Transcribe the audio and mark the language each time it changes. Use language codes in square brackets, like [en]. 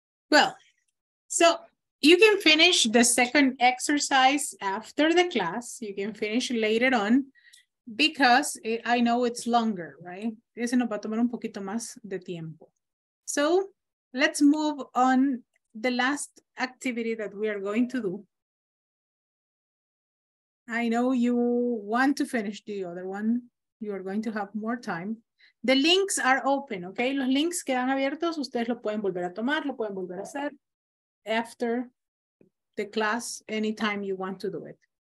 [en] Well, so you can finish the second exercise after the class. You can finish later on because it, I know it's longer, right? [es] Eso nos va a tomar un poquito más de tiempo. [en] So let's move on the last activity that we are going to do. I know you want to finish the other one. You are going to have more time. The links are open, okay? [es] Los links quedan abiertos. Ustedes lo pueden volver a tomar, lo pueden volver a hacer [en] after the class, anytime you want to do it.